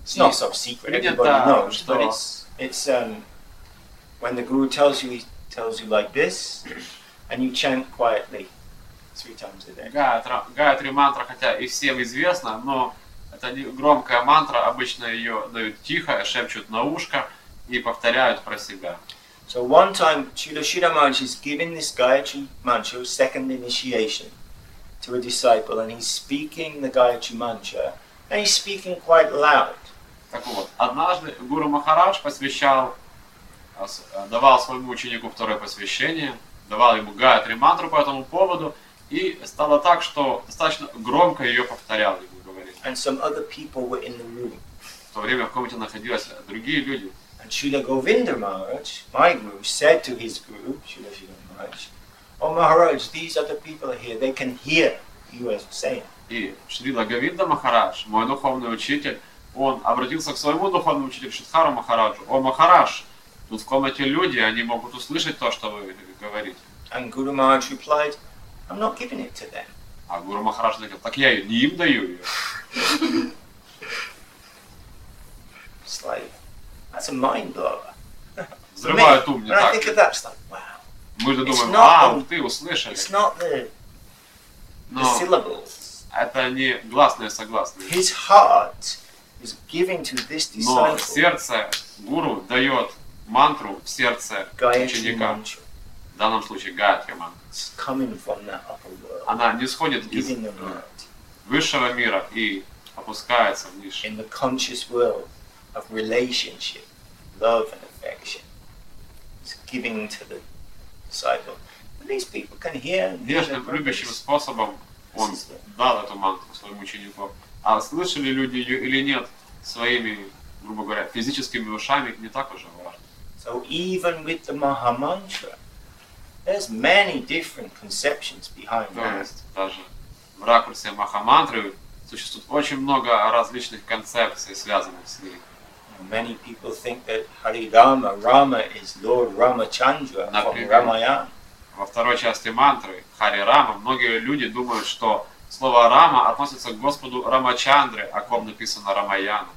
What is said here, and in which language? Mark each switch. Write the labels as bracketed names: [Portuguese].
[English] It's not so secret, everybody knows, but it's when the guru tells you, he tells you like this, and you chant quietly three times a day. [Russian] Гаятри мантра, хотя и всем известна, но это не громкая мантра, обычно ее дают тихо, шепчут на ушко и повторяют про себя. [English] So one time, Shrila Maharaj is giving this Gayatri mantra, second initiation, to a disciple, and he's speaking the Gayatri mantra, and he's speaking quite loud. [Russian] Так вот, однажды Гуру Махарадж посвящал, давал своему ученику второе посвящение, давал ему Гаятри мантру по этому поводу, и стало так, что достаточно громко ее повторял, ему говорили. [English] And some other people were in the room. [Russian] В то время в комнате находились другие люди. [English] And Srila Govinda Maharaj, my guru, said to his guru, Srila Maharaj, Oh Maharaj, these other people are here, they can hear you as saying. [Russian] И Шрила Говинда Махарадж, мой духовный учитель, он обратился к своему духовному учителю Шридхару Махараджу. О, Махарадж, тут в комнате люди, они могут услышать то, что вы говорите. [English] And Guru Maharaj replied, I'm not giving it to them. [Russian] А Гуру Махарадж сказал, так я не им даю ее. [English] It's like, that's a mind blower. [Russian] Взрывает ум, не так. [English] And I think of that, like, wow. [Russian] Мы же думаем, вау, ты услышали. [English] It's not the syllables. [Russian] Это не гласные согласные. [English] His heart. Is giving to this disciple. [Russian] Но в сердце гуру дает мантру в сердце ученика. В данном случае Гаятри мантра. Она не сходит из высшего мира и опускается в низший. [English] In the conscious world of relationship, love and affection, it's giving to the disciple. And these people can hear. [Russian] Нежным любящим способом он дал эту мантру своему ученику. А слышали люди ее или нет своими, грубо говоря, физическими ушами, не так уже важно. [English] So even with the Maha mantra, there's many different conceptions behind that. [Russian] То есть даже в ракурсе Маха мантры существует очень много различных концепций, связанных с ней. [English] Many people think that Hari Rama, Rama is Lord Ramachandra from Ramayana. [Russian] Во второй части мантры Хари Рама многие люди думают, что слово «Рама» относится к Господу Рамачандре, о ком написано Рамаяна.